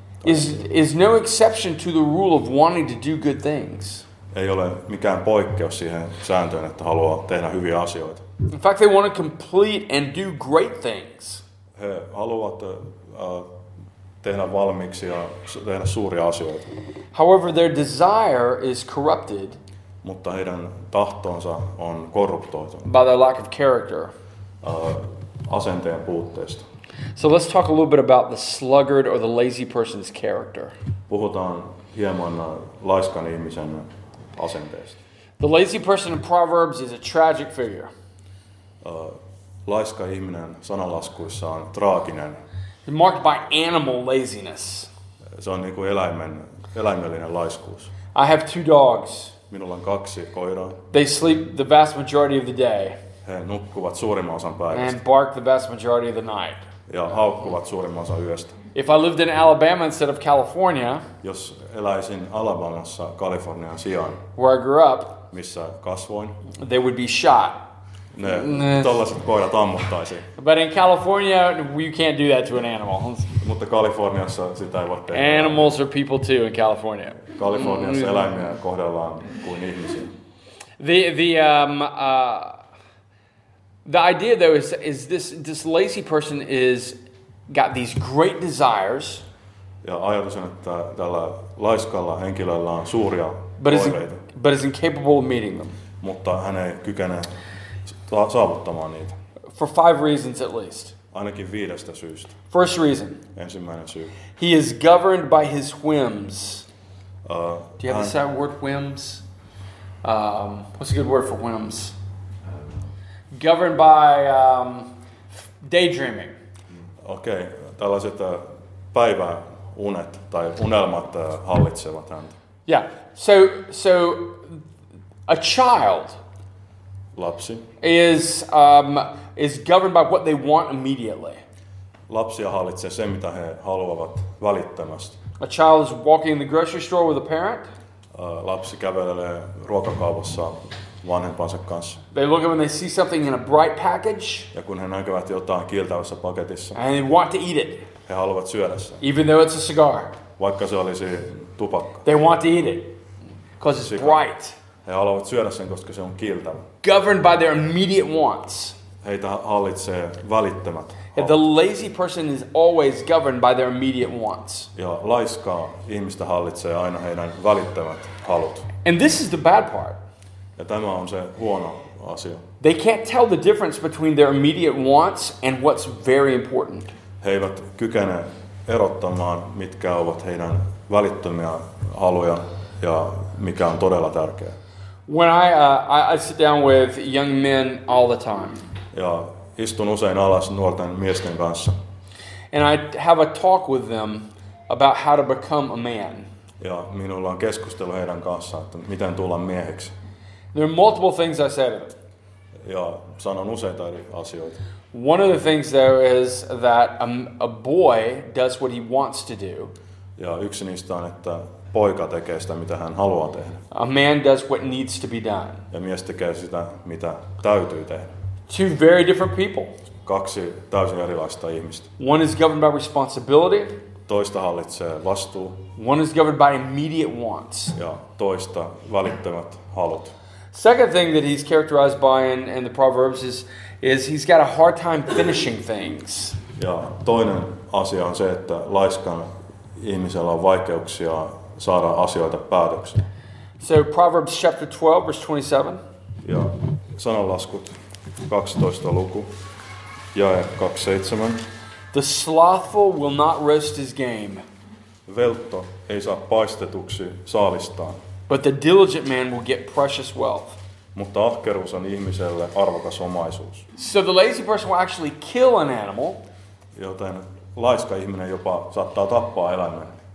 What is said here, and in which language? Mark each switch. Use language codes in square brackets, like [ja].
[en] is no exception to the rule of wanting to do good things. [fi] Ei ole mikään poikkeus siihen sääntöön, että haluaa tehdä hyviä asioita. [en] In fact, they want to complete and do great things. [fi] He haluavat tehdä valmiiksi ja tehdä suuria asioita. [en] However, their desire is corrupted. [fi] Mutta heidän tahtonsa on korruptoitunut. [en] By their lack of character. [fi] Asenteen puutteesta. [en] So let's talk a little bit about the sluggard or the lazy person's character. [fi] Puhutaan hieman laiskan ihmisen asenteesta. [en] The lazy person in Proverbs is a tragic figure. [fi] Laiska ihminen sananlaskuissa on traaginen. [en] Marked by animal laziness. [fi] Se on niin kuin eläimellinen laiskuus. [en] I have two dogs. [fi] Minulla on kaksi koiraa. [en] They sleep the vast majority of the day. [fi] He nukkuvat suurimman osan päivästä. [en] And bark the vast majority of the night. [fi] Ja haukkuvat suurimman osan yöstä. [en] If I lived in Alabama instead of California, [fi] jos eläisin Alabamassa Kalifornian sijaan, [en] where I grew up, [fi] missä kasvoin, [en] they would be shot. [fi] Ne tollaset koirat ammuttaisiin. [en] But in California, you can't do that to an animal. [fi] Mutta Kaliforniassa sitä ei voi tehdä. [en] Animals are people too in California. [fi] Kaliforniassa eläimiä kohdellaan kuin ihmisiä. [en] The idea though is this lazy person is got these great desires. [fi] Ja ajatus on, että tällä laiskalla henkilöllä on suuria oireita. [en] But is incapable of meeting them. [fi] Mutta hän ei kykene saavuttamaan niitä. [en] For five reasons at least. [fi] Ainakin viidestä syystä. [en] First reason. [fi] Ensimmäinen syy. [en] He is governed by his whims. Do you have the word whims? What's a good word for whims? Governed by daydreaming. [fi] Okei, tällaiset päiväunet tai unelmat hallitsevat häntä. [en] Yeah, so a child, [fi] lapsi, [en] is governed by what they want immediately. [fi] Lapsia hallitsee se, mitä he haluavat välittömästi. [en] A child is walking in the grocery store with a parent. [fi] Lapsi kävelee ruokakaupassa vanhempansa kanssa. [en] They look at when they see something in a bright package. [fi] Ja kun he näkevät jotain kiiltävässä paketissa. [en] And they want to eat it. [fi] He haluavat syödä sen. [en] Even though it's a cigar. [fi] Vaikka se olisi tupakka. [en] They want to eat it. Because it's bright. [fi] He haluavat syödä sen, koska se on kiiltävä. [en] Governed by their immediate wants. [fi] Heitä hallitsee välittömät. [en] The lazy person is always governed by their immediate wants. [fi] Ja laiska ihmistä hallitsee aina heidän välittömät halut. [en] And this is the bad part. [fi] Ja tämä on se huono asia. [en] They can't tell the difference between their immediate wants and what's very important. [fi] He eivät kykene erottamaan, mitkä ovat heidän välittömiä haluja ja mikä on todella tärkeä. [en] When I sit down with young men all the time. [fi] Ja istun usein alas nuorten miesten kanssa. [en] And I have a talk with them about how to become a man. [fi] Ja minulla on keskustelu heidän kanssaan, että miten tulla mieheksi. [en] There are multiple things I said. [fi] Ja sanon useita eri asioita. [en] One of the things though is that a boy does what he wants to do. [fi] Ja yksi niistä on, että poika tekee sitä, mitä hän haluaa tehdä. [en] A man does what needs to be done. [fi] Ja mies tekee sitä, mitä täytyy tehdä. [en] Two very different people. [fi] Kaksi täysin erilaista ihmistä. [en] One is governed by responsibility. [fi] Toista hallitsee vastuu. [en] One is governed by immediate wants. [fi] Ja toista välittömät halut. [en] Second thing that he's characterized by in the Proverbs is he's got a hard time finishing things. [fi] Ja toinen asia on se, että laiskan ihmisellä on vaikeuksia saada asioita päätökseen. [en] So Proverbs chapter 12 verse 27. [fi] Ja sananlaskut 12 luku jae 27. [en] The slothful will not roast his game. [fi] Veltto ei saa paistetuksi saalistaan. [en] But the diligent man will get precious wealth. [fi] Mutta ahkeruus on ihmiselle arvokas omaisuus. [en] So the lazy person will actually kill an animal. [fi] Joten laiska ihminen jopa saattaa tappaa eläimen.